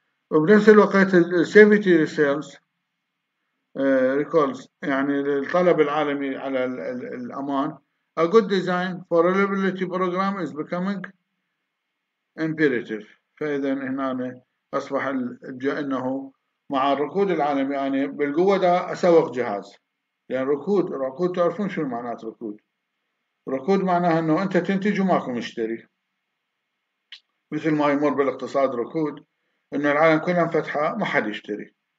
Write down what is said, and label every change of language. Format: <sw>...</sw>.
<ar>وبنفس الوقت</ar> <en>السيفتي sales recalls</en> <ar>يعني الطلب العالمي على الأمان.</ar> <en>A good design for reliability program is becoming imperative.</en> <ar>فإذا هنا أصبح أنه مع الركود العالمي يعني بالقوة ده أسوق جهاز. لأن يعني ركود تعرفون شو معناه ركود. ركود معناها أنه أنت تنتج وماكو مشتري. مثل ما يمر بالاقتصاد ركود أنه العالم كله مفتحة ما حد يشتري.</ar>